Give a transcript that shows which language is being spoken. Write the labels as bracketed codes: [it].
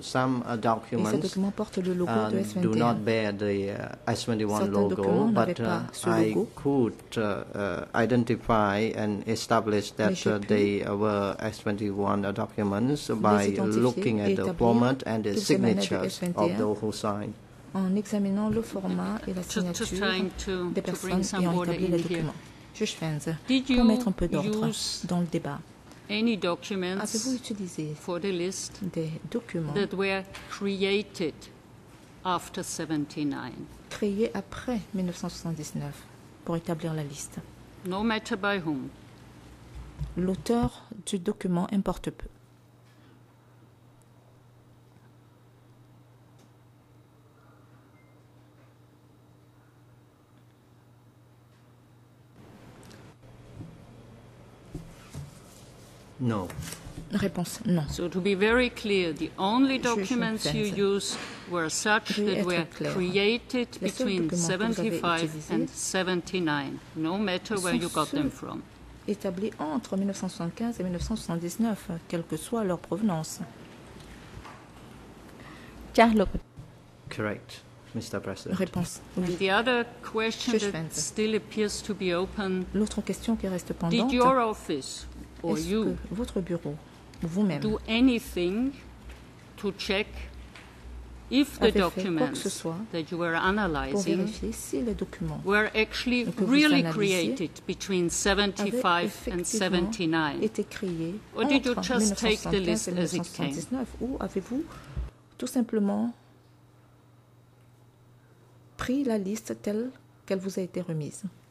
[en] Some documents do not bear the S21 logo, but I could identify and establish that they were S21 documents by looking at the format and the signatures of those who signed. [fr] En examinant le format et la signature des personnes qui ont établi le document. Juge Fens, pour mettre un peu d'ordre dans le débat, avez-vous utilisé des documents [en] that were created after 79? [fr] Créés après 1979 pour établir la liste? [en] No matter by whom. [fr] L'auteur du document importe peu. [en] No. [fr] Réponse non. [en] So to be very clear, the only documents you used were such that were created between 75 and 79, no matter where you got them from. [fr] Établis entre 1975 et 1979, quelle que soit leur provenance. [en] Correct, Mr. President. [fr] Réponse oui. [en] And the other question that still appears to be open. [fr] L'autre question qui reste pendante. [en] Did your office or you [fr] votre bureau, vous-même, [en] do anything to check if the documents that you were analyzing [fr] si [en] were actually really created between 75 and 79? Or did you just take the list as it came? [fr] Ou avez-vous tout simplement pris la liste telle qu'elle vous a été remise?